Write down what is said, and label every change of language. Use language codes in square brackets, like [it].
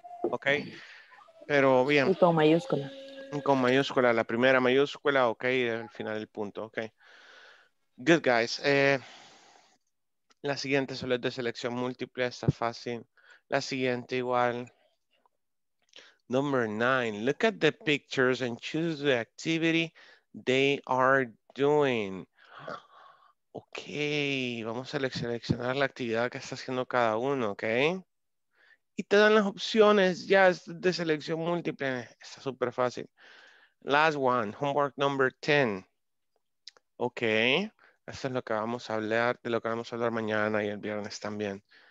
[es] Ok, pero bien. Y con mayúscula. Con mayúscula, la primera mayúscula, ok, al final el punto, ok. [en] Good guys. [es] La siguiente solo es de selección múltiple, está fácil. La siguiente igual. [en] Number 9, look at the pictures and choose the activity they are doing. [es] Ok, vamos a seleccionar la actividad que está haciendo cada uno, ok. Y te dan las opciones, ya es de selección múltiple, está súper fácil. [en] Last one, homework number 10. [es] Ok, esto es lo que vamos a hablar, de lo que vamos a hablar mañana y el viernes también.